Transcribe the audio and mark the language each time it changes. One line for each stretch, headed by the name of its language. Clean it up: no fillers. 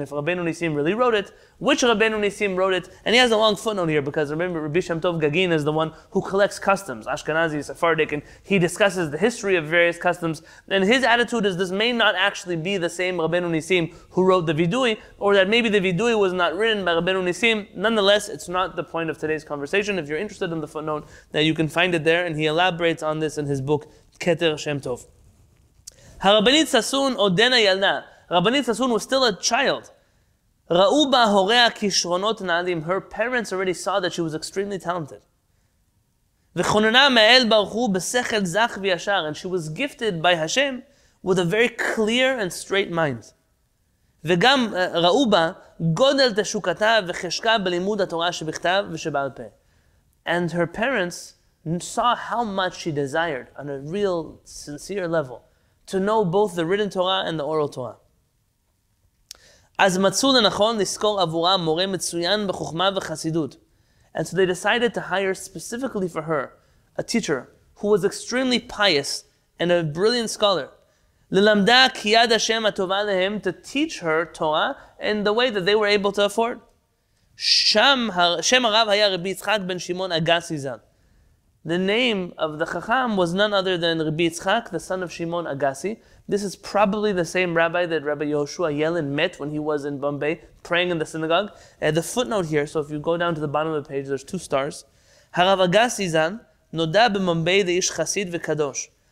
English: If Rabbeinu Nisim really wrote it, which Rabbeinu Nisim wrote it, and he has a long footnote here, because remember, Rabbi Shem Tov Gagin is the one who collects customs, Ashkenazi, Sephardic, and he discusses the history of various customs, and his attitude is this may not actually be the same Rabbeinu Nisim who wrote the vidui, or that maybe the vidui was not written by Rabbeinu Nisim. Nonetheless, it's not the point of today's conversation. If you're interested in the footnote, then you can find it there, and he elaborates on this in his book, Keter Shem Tov.
Hebrew: הרבנית ססון עודנה ילדה. רבנית ססון
English: was still a child.
Hebrew: ראו בה הוריה כישרונות נעלים.
English: Her parents already saw that she was extremely talented.
Hebrew: וכוננה מאל ברוך הוא בשכל זך וישר.
English: And she was gifted by Hashem with a very clear and straight mind.
Hebrew: וגם ראו בה גודל תשוקתה וחשקה בלימוד התורה שבכתב ושבעל פה.
English: And her parents saw how much she desired on a real sincere level to know both the written Torah and the oral Torah.
Hebrew: אז מצאו לנכון לזכור עבורה מורה מצוין בחוכמה וחסידות.
English: And so they decided to hire specifically for her a teacher who was extremely pious and a brilliant scholar.
Hebrew: ללמדה כי יד השם הטובה להם,
English: to teach her Torah in the way that they were able to afford.
Hebrew: שם הרב היה רבי יצחק בן שמעון אגסי ז"ל.
English: The name of the Chacham was none other than Rabbi Yitzchak, the son of Shimon Agassi. This is probably the same rabbi that Rabbi Yehoshua Yellen met when he was in Bombay, praying in the synagogue. The footnote here, so if you go down to the bottom of the page, there's two stars.
Hebrew: Harav Agassi Zan, noda b'Bombay de'ish chasid v'kadosh.